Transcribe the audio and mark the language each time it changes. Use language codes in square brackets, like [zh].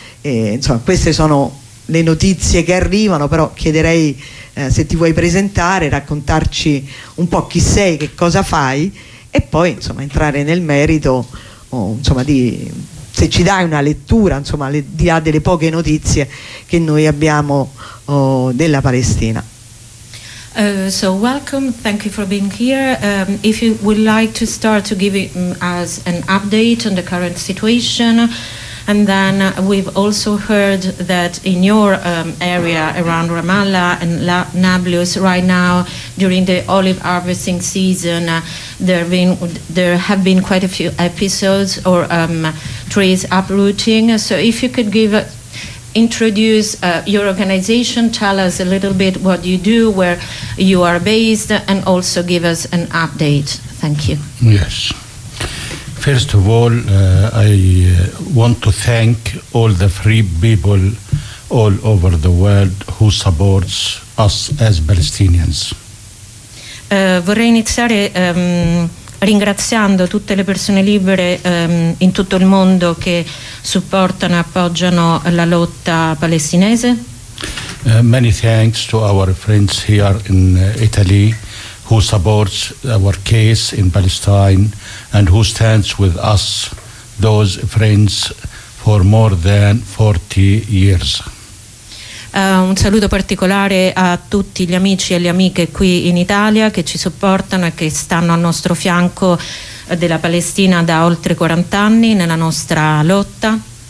[it] Insomma, queste sono le notizie che arrivano, però chiederei se ti vuoi presentare, raccontarci un po' chi sei, che cosa fai, e poi insomma entrare nel merito, se ci dai una lettura, insomma, di là delle poche notizie che noi abbiamo della Palestina. [en] So welcome, thank you for being here. If you would like to start to give us an update on the current situation, And then we've also heard that in your area around Ramallah and Nablus right now, during the olive harvesting season, there have been quite a few episodes or trees uprooting. So if you could introduce your organization, tell us a little bit what you do, where you are based, and also give us an update. Thank you. Yes. First of all, I want to thank all the free people all over the world who supports us as Palestinians. [it] Vorrei iniziare ringraziando tutte le persone libere in tutto il mondo che supportano e appoggiano la lotta palestinese. [en] Many thanks to our friends here in Italy who supports our case in Palestine and who stands with us, those friends, for more than 40 years. [it] Un saluto particolare a tutti gli amici e le amiche qui in Italia che ci supportano e che stanno al nostro fianco della Palestina da oltre 40 anni nella nostra lotta.